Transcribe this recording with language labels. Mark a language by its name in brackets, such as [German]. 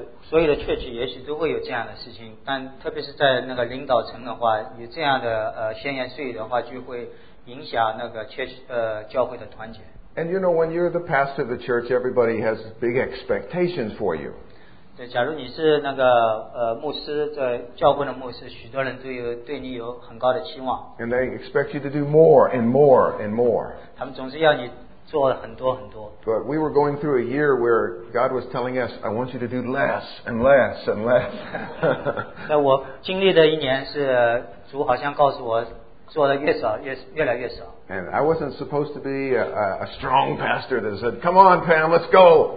[Chinese] 所有的确据也许都会有这样的事情，但特别是在那个领导层的话，有这样的闲言碎语的话，就会影响那个教会的团结。 [English] And you know, when you're the pastor of the church, everybody has big expectations for you. [Chinese] 对，假如你是那个牧师，在教会的牧师，许多人都有对你有很高的期望。 [English] And they expect you to do more and more and more. [Chinese] 他们总是要你。做了很多很多。 [English] But we were going through a year where God was telling us, I want you to do less and less and less. [Chinese] 那我经历的一年是主好像告诉我做的越少 越来越少。 [English] And I wasn't supposed to be a strong pastor that said, come on, Pam, let's go.